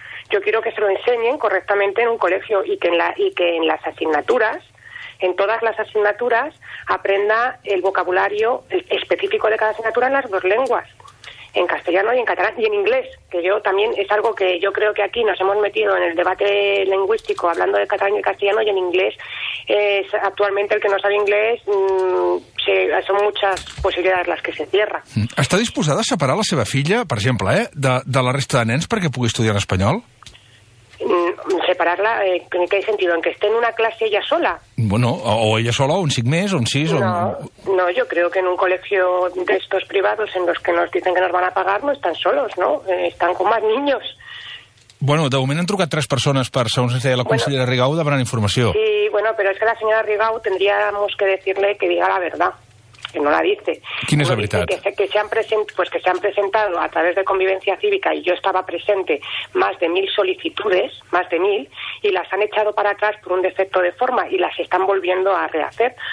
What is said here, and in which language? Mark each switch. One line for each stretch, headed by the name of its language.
Spanish: Yo quiero que se lo enseñen correctamente en un colegio y que en las asignaturas, en todas las asignaturas, aprenda el vocabulario específico de cada asignatura en las dos lenguas, en castellano y en catalán, y en inglés, que yo también es algo que yo creo que aquí nos hemos metido en el debate lingüístico hablando de catalán y castellano, y en inglés, actualmente el que no sabe inglés, son muchas posibilidades las que se cierra.
Catalan: ¿Está disposada a separar la seva filla, per exemple, de la resta de nens perquè pugui estudiar en espanyol?
Spanish: Separarla, ¿en qué sentido? ¿En que esté en una clase ella sola? Bueno, o ella sola, un 5 meses, un 6, no, o... No, yo creo que en un colegio de estos privados en los que nos dicen que nos van a pagar no están solos, ¿no? Están con más niños.
Catalan: Bueno, de moment han trucat 3 persones per, segons deia la consellera, bueno, Rigau, demanant informació.
Spanish: Sí, bueno, pero es que la señora Rigau tendríamos que decirle que diga la verdad, que no la dice. ¿Quién es la verdad? Que se han presentado a través de Convivencia Cívica, y yo estaba presente, más de 1,000 solicitudes, y las han echado para atrás por un defecto de forma, y las están volviendo a rehacer.